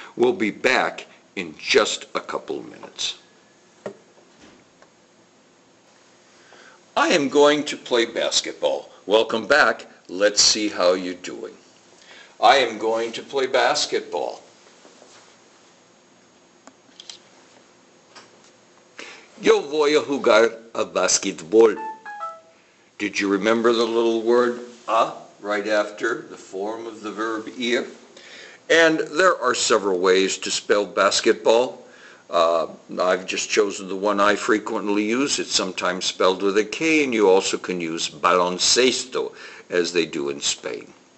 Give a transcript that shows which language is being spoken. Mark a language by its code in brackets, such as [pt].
[en] We'll be back in just a couple of minutes. I am going to play basketball. Welcome back. Let's see how you're doing. I am going to play basketball. [es] Yo voy a jugar a basketball. [en] Did you remember the little word a right after the form of the verb ir? And there are several ways to spell basketball. I've just chosen the one I frequently use. It's sometimes spelled with a K, and you also can use baloncesto, as they do in Spain.